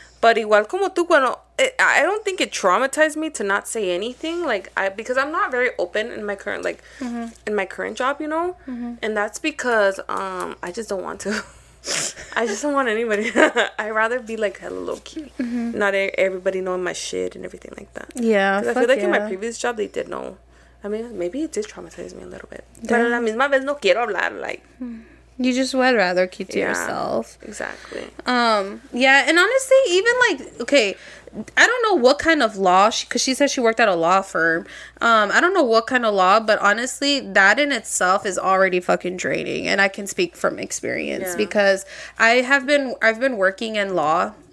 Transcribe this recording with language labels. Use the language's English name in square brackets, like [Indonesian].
[English] But [Spanish] igual como tú, bueno, [English] I don't think it traumatized me to not say anything, like, because I'm not very open in my current, like, in my current job, you know? Mm-hmm. And that's because I just don't want to. I just don't want anybody. I'd rather be like hella low key. Mm-hmm. Not everybody knowing my shit and everything like that. Yeah. Because I feel like in my previous job, they did know. I mean, maybe it did traumatize me a little bit. [Spanish] Pero la misma vez no quiero hablar, like. [English] You just would rather keep to yourself. Exactly. And honestly, even like, okay, I don't know what kind of law, because she said she worked at a law firm. I don't know what kind of law, but honestly, that in itself is already fucking draining. And I can speak from experience because I've been working in law.